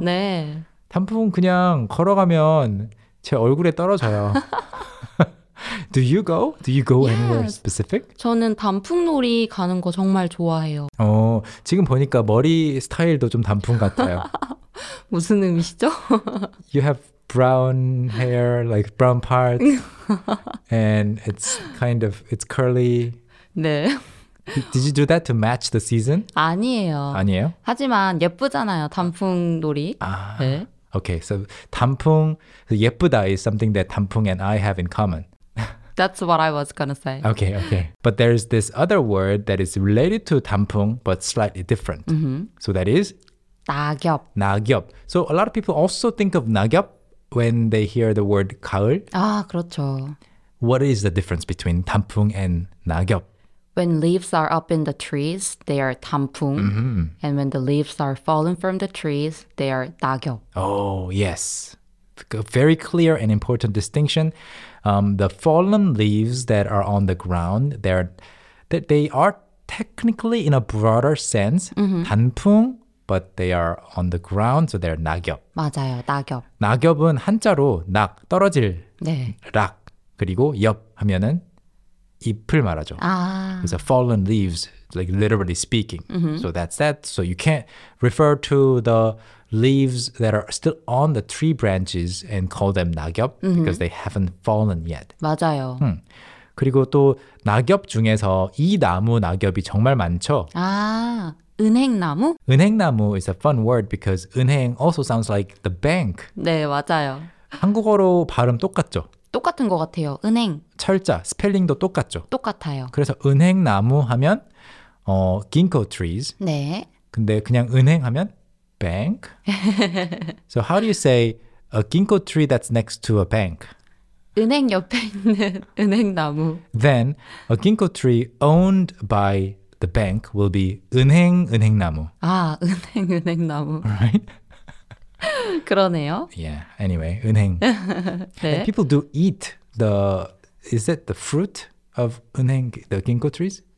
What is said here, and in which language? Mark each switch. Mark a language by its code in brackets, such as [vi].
[ko] 네. 단풍 그냥 걸어가면 제 얼굴에 떨어져요. [en] Do you go? Do you go anywhere specific? [ko] 저는 단풍놀이 가는 거 정말 좋아해요. 지금 보니까 머리 스타일도 좀 단풍 같아요. 무슨 의미시죠? [en] You have brown hair, like brown parts, and it's kind of, it's curly. [ko] 네. [en] Did you do that to match the season? [ko] 아니에요. 아니에요? 하지만 예쁘잖아요, 단풍놀이. 아. 네. [en] Okay, so 단풍, 예쁘다 is something that 단풍 and I have in common. That's what I was gonna say. Okay, okay. But there's this other word that is related to 단풍, but slightly different. So that is? [ko] 낙엽. 낙엽. [en] So a lot of people also think of 낙엽 when they hear the word 가을. [ko] 아, 그렇죠. [en] What is the difference between 단풍 and 낙엽? When leaves are up in the trees, they are 단풍. And when the leaves are fallen from the trees, they are 낙엽. Oh, yes. Very clear and important distinction. The fallen leaves that are on the ground, they are technically in a broader sense 단풍, but they are on the ground, so they're 낙엽. [ko] 맞아요, 낙엽. 낙엽은 한자로 낙, 떨어질, 네. 락, 그리고 엽 하면은 잎을 말하죠. 아. [en] It's a fallen leaves, like literally speaking. Mm-hmm. So that's that. So you can't refer to the leaves that are still on the tree branches and call them 낙엽 mm-hmm. because they haven't fallen yet. [ko] 맞아요. 그리고 또 낙엽 중에서 이 나무 낙엽이 정말 많죠. 아, 은행나무? [en] 은행나무 is a fun word because 은행 also sounds like the bank. [ko] 네, 맞아요. 한국어로 발음 똑같죠? 똑같은 것 같아요. 은행. 철자, 스펠링도 똑같죠? 똑같아요. 그래서 은행나무 하면 [en] ginkgo trees. [ko] 네. 근데 그냥 은행 하면 bank. [en] So how do you say a ginkgo tree that's next to a bank? [ko] 은행 옆에 있는 은행나무. [en] Then a ginkgo tree owned by the bank will be 은행 은행나무. [ko] 아, 은행 은행나무. [en] Right? [ko] 그러네요. [en] Yeah. Anyway, 은행. [ko] 네. [en] And people do eat the. Is it the fruit of 은행 the ginkgo trees?